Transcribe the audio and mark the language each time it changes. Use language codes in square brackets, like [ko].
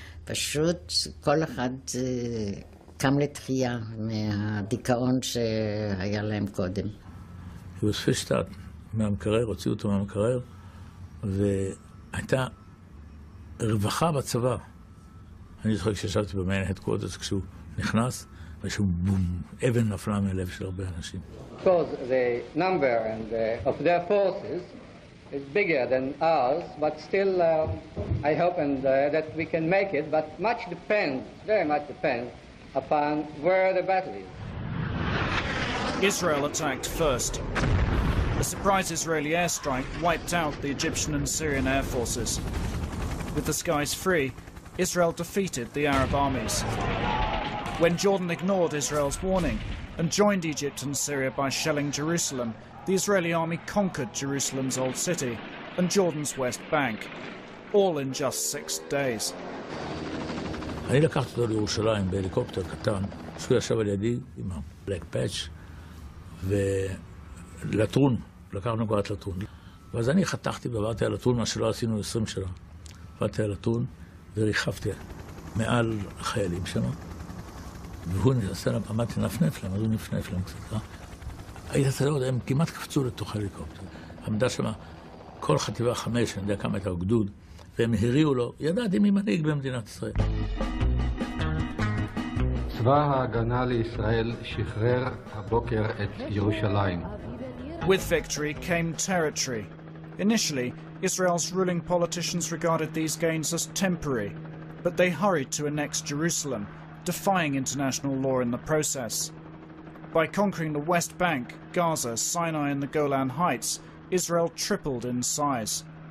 [he] פשוט כל אחד קם לתחייה מהדיכאון שהיה להם קודם. הוא הוציא אותו מהמקרר, הוציא אותו מהמקרר, והייתה רווחה בצבא. אני זוכר כשישבתי [en] במיין הדקוורטרס [he] כשהוא נכנס, משהו בום, אבן נפלה מלב של הרבה אנשים. [en] Because the number and of their forces is bigger than ours, but still I hope and that we can make it, but much depends, very much depends upon where the battle is. Israel attacked first. A surprise Israeli airstrike wiped out the Egyptian and Syrian air forces. With the skies free, Israel defeated the Arab armies. When Jordan ignored Israel's warning and joined Egypt and Syria by shelling Jerusalem, the Israeli army conquered Jerusalem's Old City and Jordan's West Bank, all in just 6 days. [he] אני לקחתי אותו לירושלים בהליקופטר קטן, שהוא ישב על ידי עם הבלק פאץ' ולטרון, לקחנו כבר את לטרון. ואז אני חתכתי ועברתי על לטרון, מה שלא עשינו 20 שנה. עברתי על לטרון וריחפתי מעל החיילים שם. והוא נעשה להם פעמת לנפנף להם, אז הוא נפנף להם קצת, לא? היית צלעות, הם כמעט קפצו לתוך הליקופטר. עמדה שם כל חטיבה חמש, אני יודע כמה הייתה גדוד, והם הריעו לו, ידעתי מי מנהיג במדינת ישראל. צבא ההגנה לישראל שחרר הבוקר את ירושלים. [en] With victory came territory. Initially, Israel's ruling politicians regarded these gains as temporary, but they hurried to annex Jerusalem, defying international law in the process. By conquering the West Bank, Gaza, Sinai, and the Golan Heights, Israel tripled in size.